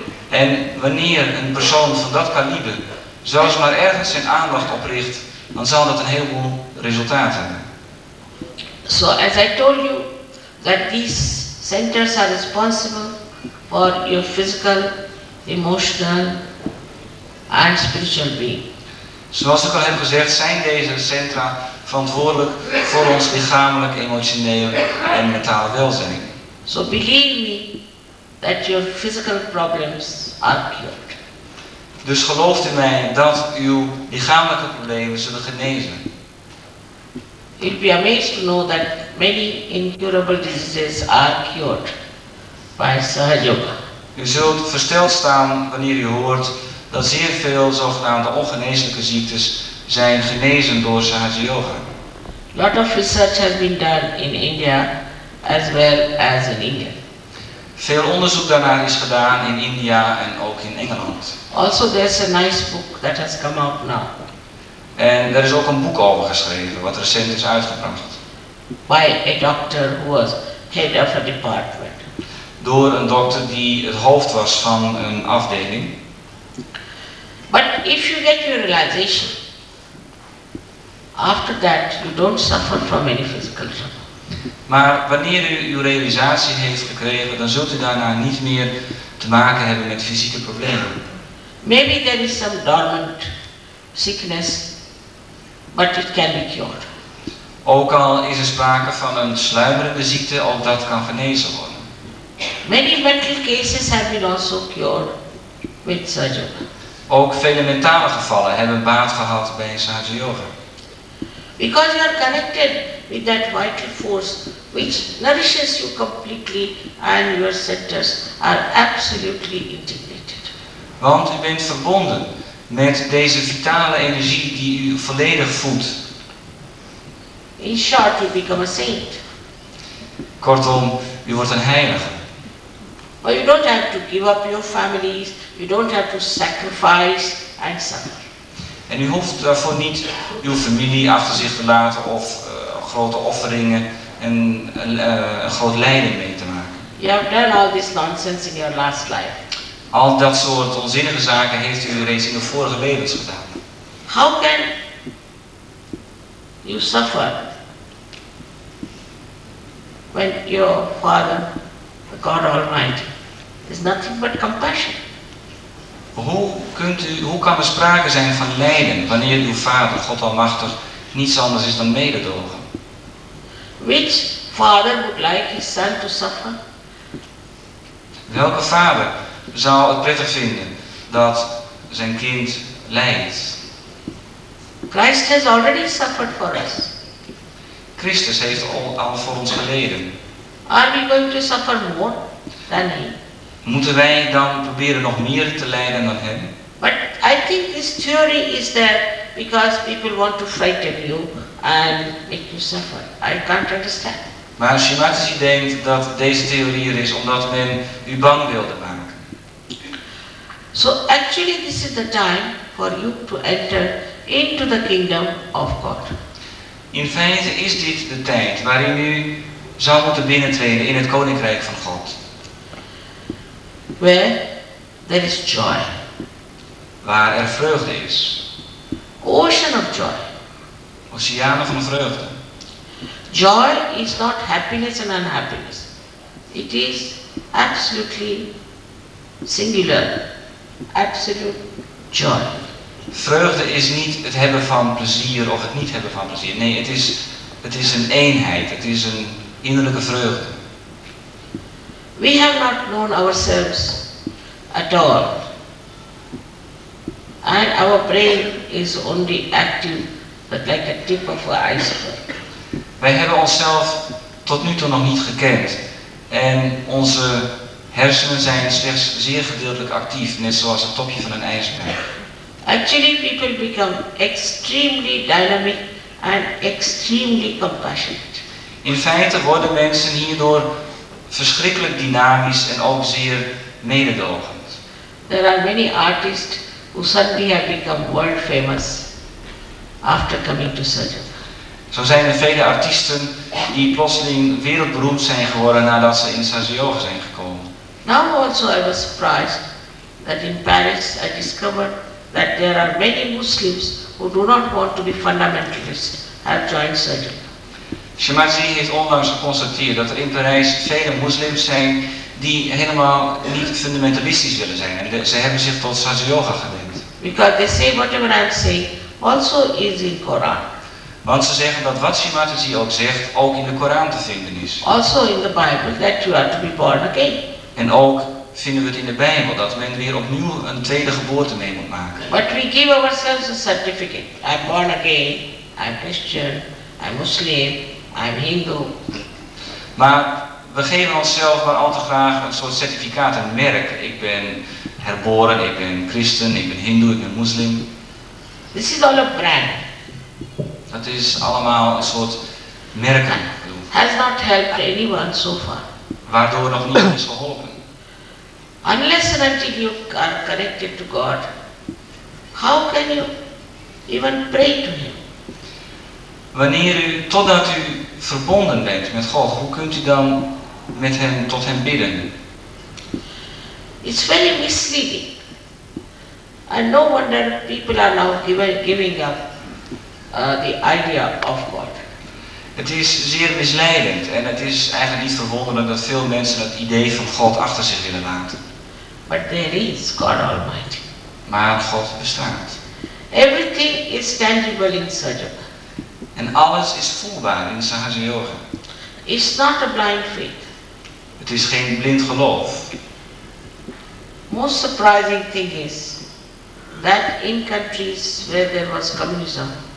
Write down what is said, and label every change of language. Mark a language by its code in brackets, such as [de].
[nl] En wanneer een persoon van dat kaliber zelfs maar ergens zijn aandacht opricht, dan zal dat een heleboel resultaat hebben. [en] So as I told you that these centers are responsible for your physical, emotional and spiritual being. [nl] Zoals ik al heb gezegd, zijn deze centra verantwoordelijk voor ons lichamelijk, emotioneel en mentale welzijn. [en] So believe me that your physical problems are cured. [nl] Dus gelooft in mij dat uw lichamelijke problemen zullen genezen. [en] You'll be amazed to know that many incurable diseases are cured by Sahaja Yoga. [nl] U zult versteld staan wanneer u hoort dat zeer veel zogenaamde ongeneeslijke ziektes zijn genezen door Sahaja Yoga. [en] Lot of research has been done in India as well as in India. [nl] Veel onderzoek daarnaar is gedaan in India en ook in Engeland. [en] Also there's a nice book that has come out now. [nl] En er is ook een boek over geschreven, wat recent is uitgebracht. [en] By a doctor who was head of a department. [nl] Door een dokter die het hoofd was van een afdeling. [en] But if you get your realization, after that you don't suffer from any physical trouble. [nl] Maar wanneer u uw realisatie heeft gekregen, dan zult u daarna niet meer te maken hebben met fysieke problemen. [en] Maybe there is some dormant sickness. But it can be cured. [nl] Ook al is er sprake van een sluimerende ziekte, ook dat kan genezen worden. [en] Many mental cases have been also cured with Sahaja Yoga. [nl] Ook vele mentale gevallen hebben baat gehad bij Sahaja Yoga. [en] Because you are connected with that vital force which nourishes you completely and your centers are absolutely integrated. [nl] Want u bent verbonden met deze vitale energie die u volledig voedt. [en] In short, you become a saint. [nl] Kortom, u wordt een heilige. [en] But you don't have to give up your families, you don't have to sacrifice and suffer. [nl] En u hoeft daarvoor niet uw familie achter zich te laten of grote offeringen en een groot lijden mee te maken. [en] You have done all this nonsense in your last life. [nl] Al dat soort onzinnige zaken heeft u reeds in de vorige levens gedaan. [en] How can you suffer when your father, the God Almighty, is nothing but compassion? [nl] Hoe kan er sprake zijn van lijden wanneer uw vader, God Almachtig, niets anders is dan mededogen? [en] Which father would like his son to suffer? [nl] Welke vader zou het prettig vinden dat zijn kind lijdt? [en] Christ has already suffered for us. [nl] Christus heeft al voor ons geleden. [en] Are we going to suffer more than he? [nl] Moeten wij dan proberen nog meer te lijden dan hem? [en] But I think this theory is there because people want to frighten you and make you suffer. I can't understand. [nl] Maar H.H.Shri Mataji denkt dat deze theorie er is omdat men u bang wilde maken. [en] So actually this is the time for you to enter into the kingdom of God. [nl] In feite is dit de tijd waarin u zou moeten binnentreden in het koninkrijk van God. [en] Where there is joy. [nl] Waar er vreugde is. [en] Ocean of joy. [nl] Oceaan van vreugde. [en] Joy is not happiness and unhappiness. It is absolutely singular, absolute joy. [nl] Vreugde is niet het hebben van plezier of het niet hebben van plezier. Nee, het is een eenheid. Het is een innerlijke vreugde. [en] We have not known ourselves at all. And our brain is only active, but like a tip of an iceberg. [nl] Wij hebben onszelf tot nu toe nog niet gekend. En onze hersenen zijn slechts zeer gedeeltelijk actief, net zoals het topje van een ijsberg. [en] Actually, people become extremely dynamic and extremely compassionate. [nl] In feite worden mensen hierdoor verschrikkelijk dynamisch en ook zeer mededogend. [en] There are many artists who suddenly have become world famous after coming to surgery. [nl] Zo zijn er vele artiesten die plotseling wereldberoemd zijn geworden nadat ze in Sahaja Yoga zijn gekomen. [en] Now also I was surprised that in Paris I discovered that there are many Muslims who do not want to be fundamentalists have joined surgery. [nl] Shamaji heeft onlangs geconstateerd dat er in Parijs vele moslims zijn die helemaal niet fundamentalistisch willen zijn. En ze hebben zich tot Sahaja Yoga gewend. [en] Because they say whatever I'm saying also is in Koran. [nl] Want ze zeggen dat wat H.H.Shri Mataji ook zegt, ook in de Koran te vinden is. [en] Also in the Bible that you are to be born again. [nl] En ook vinden we het in de Bijbel dat men weer opnieuw een tweede geboorte mee moet maken. [en] But we give ourselves a certificate. I'm born again. I'm Christian. I'm Muslim. I'm Hindu. [nl] Maar we geven onszelf maar al te graag een soort certificaat, een merk. Ik ben herboren. Ik ben Christen. Ik ben Hindu. Ik ben Muslim. [en] This is all a brand. [nl] Het is allemaal een soort merken. [en] Has not helped anyone so far. [nl] Waardoor nog niemand is geholpen. [en] Unless and until you are connected to God, how can you even pray to Him? [nl] Wanneer u, totdat u verbonden bent met God, hoe kunt u dan met Hem tot Hem bidden? [en] It's very misleading. And no wonder people are now giving up. The idea of God. [nl] Het is zeer misleidend en het is eigenlijk niet verwonderlijk dat veel mensen het idee van God achter zich willen laten. [en] But there is God Almighty. [nl] Maar God bestaat. [en] Everything is tangible in Sahaja. [nl] En alles is voelbaar in Sahaja Yoga. [en] It's not a blind faith. [nl] Het is geen blind geloof. [en] Most surprising thing is that in countries where there was communism.